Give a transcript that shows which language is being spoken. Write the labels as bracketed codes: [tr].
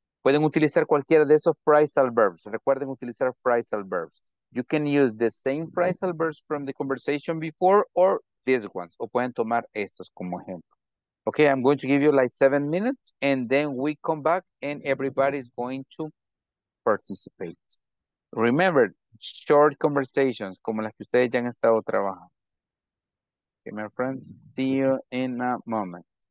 [es] Pueden utilizar cualquiera de esos phrasal verbs. Recuerden utilizar phrasal verbs. [en] You can use the same phrasal verbs from the conversation before or these ones. [es] O pueden tomar estos como ejemplo. [en] Okay, I'm going to give you like 7 minutes and then we come back and everybody is going to participate. Remember, short conversations, [es] como las que ustedes ya han estado trabajando. [en] Okay, my friends, see you in a moment.